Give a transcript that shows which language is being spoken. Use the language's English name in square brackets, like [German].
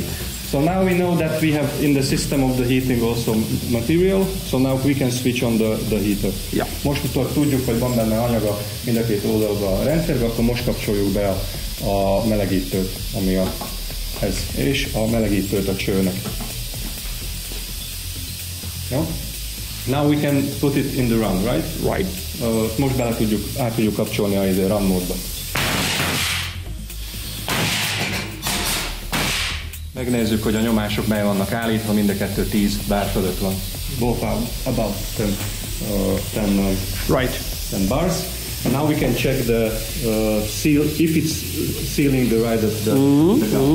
[English] So now we know that we have in the system of the heating also material. So now we can switch on the heater. Yeah. [Hungarian] Most utól tudjuk, hogy van benne anyag a mind a két oldalba a rendszerbe, akkor most kapcsoljuk be a melegítőt, ami a ez, és a melegítőt a csőnek. Jó? [English] Now we can put it in the run, right? Right. [Hungarian] Most bele tudjuk, át tudjuk kapcsolni a run módba. Megnézzük, hogy a nyomások mely vannak állítva, mind a kettő 10 bar fölött van. [English] Both are about 10 bars. And now we can check the seal, if it's sealing the right of the gun.